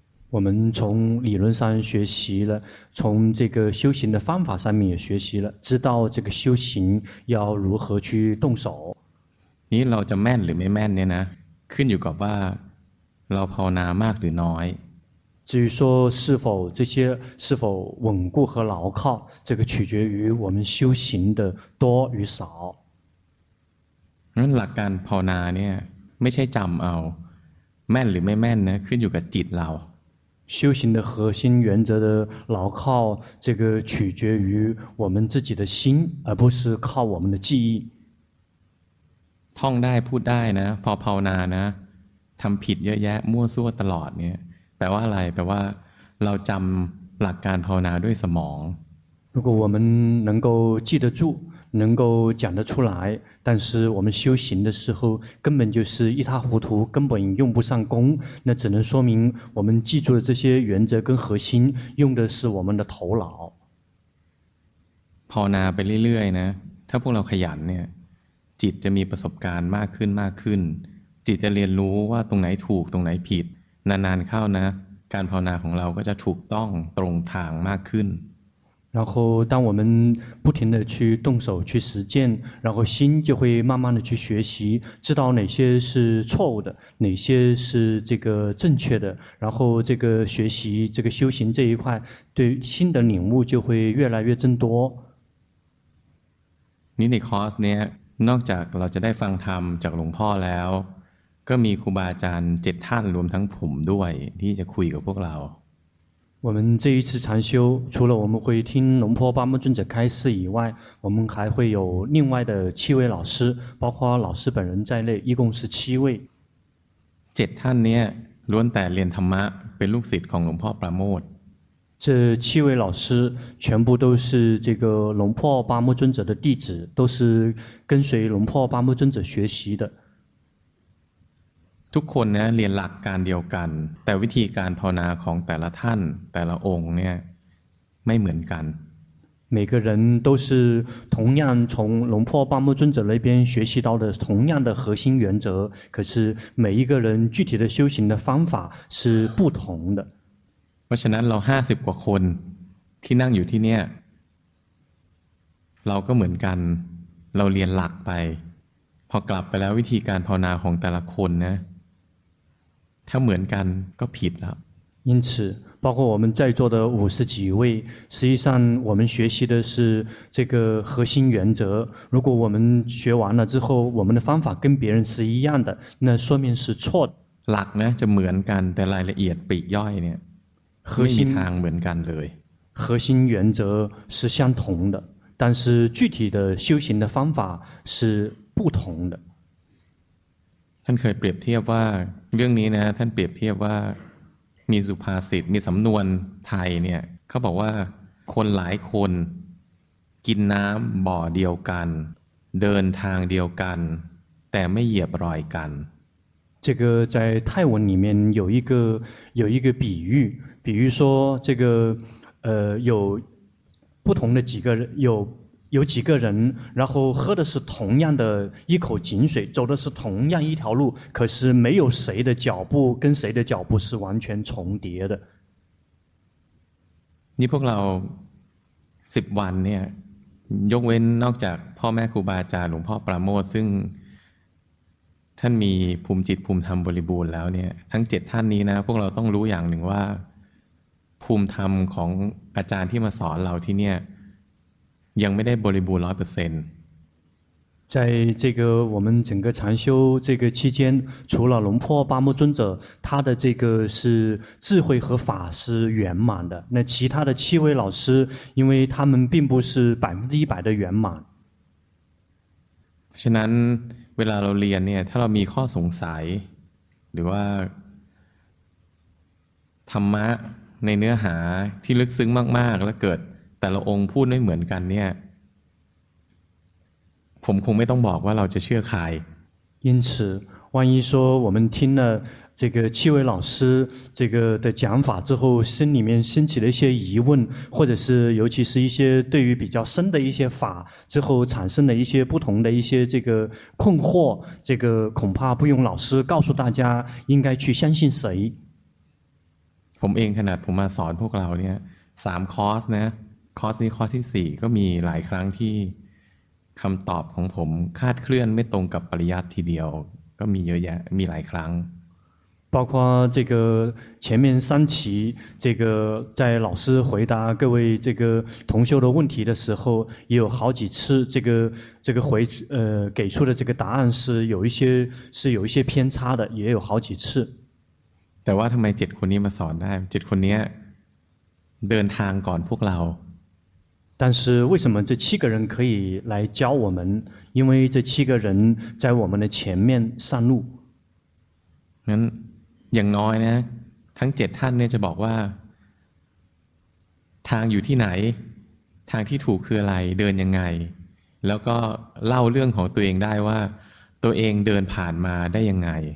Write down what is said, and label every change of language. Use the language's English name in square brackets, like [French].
[Chinese] 我们从理论上学习了从这个修行的方法上面也学习了知道这个修行要如何去动手 [Thai] นี่เราจะแม่นหรือไม่แม่นเนี่ยนะขึ้นอยู่กับว่าเราภาวนามากหรือน้อย [Chinese] 至于说是否稳固和牢靠这个取决于我们修行的多与少 [Thai] งั้นหลักการภาวนาเนี่ยไม่ใช่จำเอาแม่นหรือไม่แม่นนะขึ้นอยู่กับจิตเรา [Chinese] 修行的核心原则的牢靠这个取决于我们自己的心而不是靠我们的记忆 [Thai] ท่องได้พูดได้นะพอภาวนานะทำผิดเยอะแยะมั่วซั่วตลอดเนี่ยแปลว่าอะไรแปลว่าเราจำหลักการภาวนาด้วยสมอง [Chinese] 如果我们能够记得住能够讲得出来但是我们修行的时候根本就是一塌糊涂根本用不上功那只能说明我们记住了这些原则跟核心用的是我们的头脑 [Thai] ภาวนาไปเรื่อยๆนะถ้าพวกเราขยันเนี่ยจิตจะมีประสบการณ์มากขึ้นมากขึ้นจิตจะเรียนรู้ว่าตรงไหนถูกตรงไหนผิดนานๆเข้านะการภาวนาของเราก็จะถูกต้องตรงทางมากขึ้น [Chinese] 然后当我们不停地去动手去实践然后心就会慢慢地去学习知道哪些是错误的哪些是这个正确的然后这个学习这个修行这一块对心的领悟就会越来越增多 [Thai] นี่ในคอร์สเนี้ยนอกจากเราจะได้ฟังธรรมจากหลวงพ่อแล้วก็มีครูบาอาจารย์7ท่านรวมทั้งผมด้วยที่จะคุยกับพวกเรา [Chinese] 我们这一次禅修除了我们会听龙婆巴木尊者开示以外我们还会有另外的七位老师包括老师本人在内一共是七位这七位老师全部都是龙婆巴木尊者的弟子这七位老师全部都是这个龙婆巴木尊者的弟子都是跟随龙婆巴木尊者学习的 [Thai] ทุกคนเนี่ยเรียนหลักการเดียวกันแต่วิธีการภาวนาของแต่ละท่านแต่ละองค์เนี่ยไม่เหมือนกัน [Chinese] 每个人都是同样从龙破巴木尊者那边学习到的同样的核心原则可是每一个人具体的修行的方法是不同的 [Thai] เพราะฉะนั้นเรา50กว่าคนที่นั่งอยู่ที่เนี่ยเราก็เหมือนกันเราเรียนหลักไป พอกลับไปแล้ววิธีการภาวนาของแต่ละคนนะถ้าเหมือนกันก็ผิดแล้ว [Chinese] 因此包括我们在座的五十几位实际上我们学习的是这个核心原则如果我们学完了之后我们的方法跟别人是一样的那说明是错的 [Thai] หลักนะจะเหมือนกันแต่รายละเอียดปลีกย่อยเนี่ยไม่มีทางเหมือนกันเลย [Chinese] 核心原则是相同的但是具体的修行的方法是不同的 [Thai] ท่านเคยเปรียบเทียบว่าเรื่องนี้นะท่านเปรียบเทียบว่ามีสุภาษิตมีสำนวนไทยเนี่ยเขาบอกว่าคนหลายคนกินน้ำบ่อเดียวกันเดินทางเดียวกันแต่ไม่เหยียบรอยกัน [Chinese] 这个在泰文里面有一个比喻比喻说这个有不同的几个人有几个人然后喝的是同样的一口井水走的是同样一条路可是没有谁的脚步跟谁的脚步是完全重叠的你 [Thai] พวกเรา10วันเนี่ยยกเว้นนอกจากพ่อแม่ครูบาอาจารย์หลวงพ่อปราโมทซึ่งท่านมีภูมิจิตภูมิธรรมบริบูรณ์แล้วเนี่ยทั้ง7ท่านนี้นะพวกเราต้องรู้อย่างหนึ่งว่าภูมิธรรมของอาจารย์ที่มาสอนเราที่เนี่ยยังไม่ได้บริบูรณ์ 100% ใน [Chinese] 这个我们整个禅修这个期间除了龙破八木尊者他的这个是智慧和法是圆满的那其他的七位老师因为他们并不是 100% 的圆满 [Thai] ฉะนั้นเวลาเราเรียนเนี่ยถ้าเรามีข้อสงสัยหรือว่าธรรมะในเนื้อหาที่ลึกซึ้งมากๆแล้วเกิดแต่ละองค์พูดไม่เหมือนกันเนี่ยผมคงไม่ต้องบอกว่าเราจะเชื่อใคร [Chinese] 因此万一说我们听了这个七位老师这个的讲法之后心里面兴起了一些疑问或者是尤其是一些对于比较深的一些法之后产生了一些不同的一些这个困惑这个恐怕不用老师告诉大家应该去相信谁 [Thai] ผมเองขนาดผมมาสอนพวกเราเนี่ย3คอร์สนะคอร์สนี้คอร์สที่4ก็มีหลายครั้งที่คำตอบของผมคาดเคลื่อนไม่ตรงกับปริยัติทีเดียวก็มีเยอะแยะมีหลายครั้ง [Chinese] 包括这个前面三期这个在老师回答各位这个同修的问题的时候也有好几次这个回给出的这个答案是有一些偏差的也有好几次 [Thai] แต่ว่าทำไม7คนนี้มาสอนได้7คนนี้เดินทางก่อนพวกเรา [Chinese] 但是为什么这七个人可以来教我们因为这七个人在我们的前面上路 [Thai] งั้นอย่างน้อยนะทั้ง7ท่านเนี่ยจะบอกว่าทางอยู่ที่ไหนทางที่ถูกคืออะไรเดินยังไงแล้วก็เล่าเรื่องของตัวเองได้ว่าตัวเองเดินผ่านมาได้ยังไง